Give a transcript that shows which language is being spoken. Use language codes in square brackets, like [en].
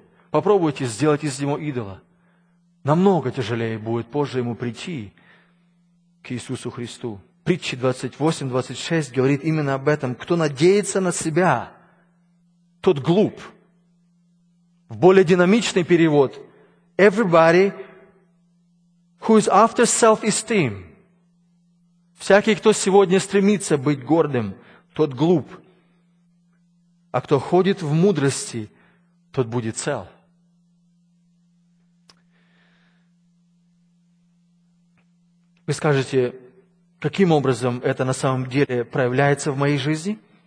[ru] Попробуйте сделать из него идола. Намного тяжелее будет позже ему прийти к Иисусу Христу. Притча 28:26 говорит именно об этом. Кто надеется на себя, тот глуп. В более динамичный перевод. [en] Everybody who is after self-esteem. [ru] Всякий, кто сегодня стремится быть гордым, тот глуп. А кто ходит в мудрости, тот будет цел. Вы скажете, каким образом это на самом деле проявляется в моей жизни?